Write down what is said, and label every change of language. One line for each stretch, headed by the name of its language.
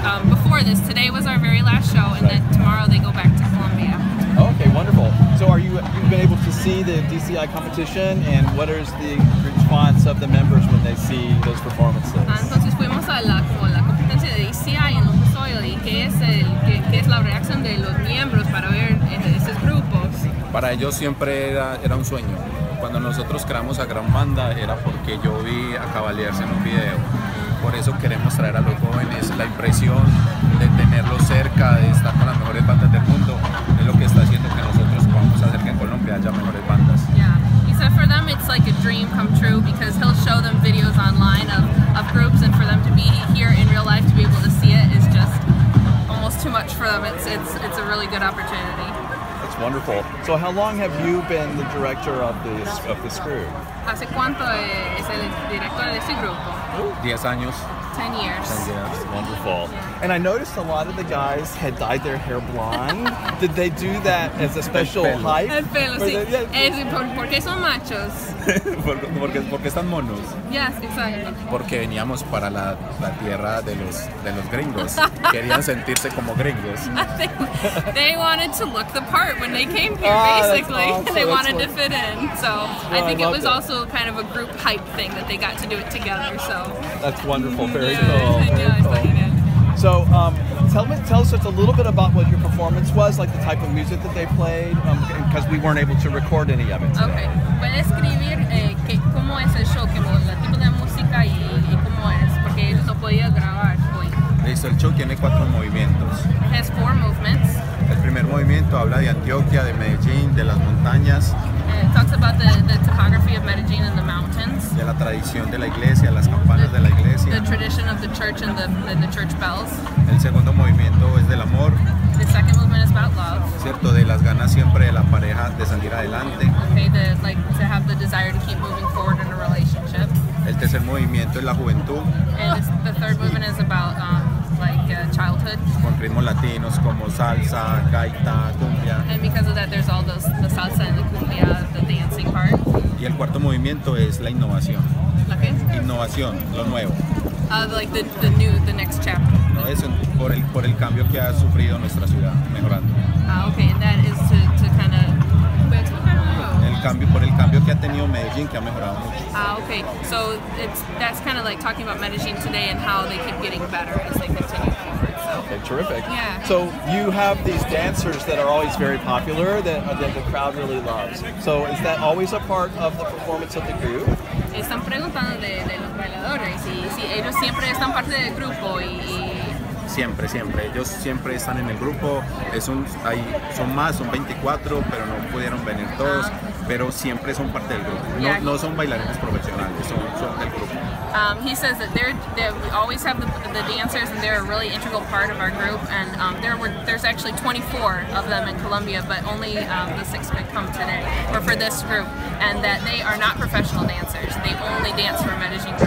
English: Before this, today was our very last show, and then tomorrow they go back to Colombia. Okay, wonderful. So, have you been able to see the DCI competition, and what is the response of the members when they see those performances?
Spanish: Entonces fuimos a la competencia de DCI en lo que soy y qué es la reacción de los miembros para ver esos grupos. Para ellos siempre era un sueño. Cuando nosotros creamos a Gran Banda era porque yo vi a Cavaliers en un video. Por eso queremos traer a los jóvenes la impresión de tenerlos cerca, de estar con las mejores bandas del mundo. Es lo que está haciendo que nosotros podamos hacer que en Colombia haya mejores bandas.
English: Yeah, he said for them it's like a dream come true because he'll show them videos online of groups, and for them to be here in real life to be able to see it is just almost too much for them. It's a really good opportunity. That's wonderful. So how long have you been the director of this group?
Spanish: ¿Hace cuánto es el director de este grupo? 10 años.
English: 10 years. 10 years. Wonderful. And I noticed a lot of the guys had dyed their hair blonde. Did they do that as a special
Spanish: el pelo.
English: Hype?
Spanish: El pelo, sí. Yes. ¿Por qué son machos? porque están monos.
English: Yes, exactly.
Spanish: Porque veníamos para la tierra de los gringos. Querían sentirse como gringos.
English: They wanted to look the part when they came here, basically. That's awesome. To fit in. So I think it was also kind of a group hype thing that they got to do it together. So that's wonderful. Very cool. So tell us just a little bit about what your performance was, like the type of music that they played, because we weren't able to record any of it today. Okay.
Spanish: ¿Puedes describir cómo es el show, el tipo de música y cómo es? Porque eso no podía grabar hoy. Listo, el show tiene cuatro movimientos.
English: It has four movements.
Spanish: El primer movimiento habla de Antioquia, de Medellín, de las montañas.
English: It talks about the topography of Medellin and the mountains.
Spanish: De la tradición de la iglesia, las campanas de la iglesia.
English: The tradition of the church and the church bells.
Spanish: El segundo movimiento es del amor.
English: The second movement is about love.
Spanish: Cierto, de las ganas siempre de la pareja de salir adelante.
English: Okay, to have the desire to keep moving forward in a relationship.
Spanish: El tercer movimiento es la juventud.
English: And the third movement is about childhood.
Spanish: Con ritmos latinos como salsa, gaita, cumbia.
English: And because of that, there's all the salsa and the cumbia, the dancing part.
Spanish: Y el cuarto movimiento es la innovación.
English: Okay.
Spanish: Innovación, lo nuevo.
English: The next chapter.
Spanish: No, es por el cambio que ha sufrido nuestra ciudad, mejorando.
English: Okay, and that is to kind of.
Spanish: Por el cambio que ha tenido Medellín, que ha mejorado mucho.
English: Okay. So that's kind of like talking about Medellín today and how they keep getting better as they continue forward. Okay, terrific. Yeah. So you have these dancers that are always very popular that the crowd really loves. So is that always a part of the performance of the group?
Spanish: Están preguntando de los bailadores y si ellos siempre están parte del grupo y Siempre. Ellos siempre están en el grupo. Son 24, pero no pudieron venir todos. pero siempre son parte del grupo. No, yeah, no son bailarines profesionales, son del grupo.
English: He says that they we always have the dancers, and they're a really integral part of our group. And there's actually 24 of them in Colombia, but only the 6 could come today, or for this group. And that they are not professional dancers. They only dance for Medellin.